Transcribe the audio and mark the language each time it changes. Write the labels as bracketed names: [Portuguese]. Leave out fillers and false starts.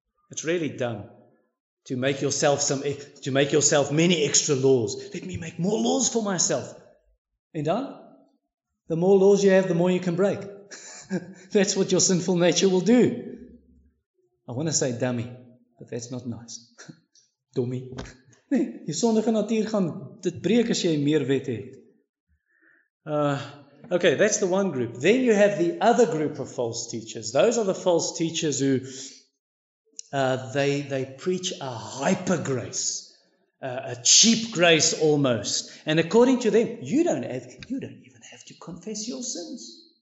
[English] It's really dumb to make yourself many extra laws. Let me make more laws for myself. And done? The more laws you have, the more you can break. That's what your sinful nature will do. I want to say dummy, but that's not nice. Dummy. [Afrikaans] Nee, jou sondige natuur gaan dit breek as jy meer wet het. [English] Okay, that's the one group. Then you have the other group of false teachers. Those are the false teachers who they preach a hyper grace, a cheap grace almost. And according to them, you don't even have to confess your sins.